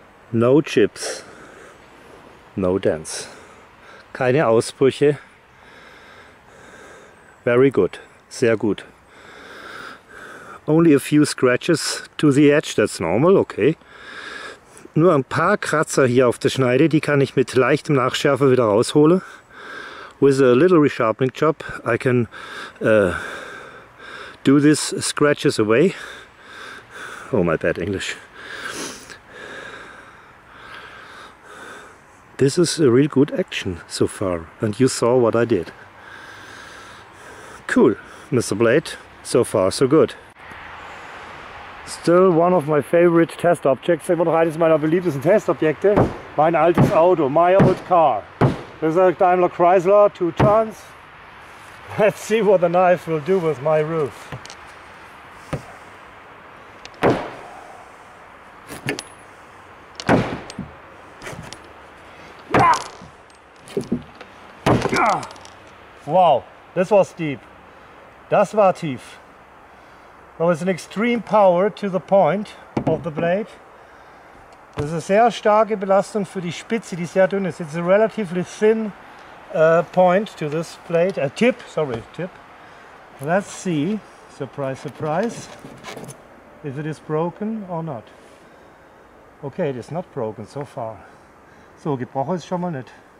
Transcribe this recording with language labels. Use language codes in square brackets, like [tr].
[en] No chips, no dents. [de] Keine Ausbrüche. [en] Very good. [de] Sehr gut. [en] Only a few scratches to the edge, that's normal, okay. [de] Nur ein paar Kratzer hier auf der Schneide, die kann ich mit leichtem Nachschärfer wieder rausholen. [en] With a little resharpening job, I can do these scratches away. Oh, my bad English. This is a real good action so far, and you saw what I did. Cool, Mr. Blade, so far so good. Still one of my favorite test objects, [de] immer noch eines meiner beliebtesten Testobjekte. Mein altes Auto, [en] my old car. This is a Daimler Chrysler, 2 tons. Let's see what the knife will do with my roof. Wow, this was deep. [de] Das war tief. [en] There was an extreme power to the point of the blade. [de] Das ist eine sehr starke Belastung für die Spitze, die sehr dünn ist. [en] It's a relatively thin point to this blade. A tip. Let's see, surprise, surprise, if it is broken or not. Okay, it is not broken so far. So, [de] gebrochen ist schon mal nicht.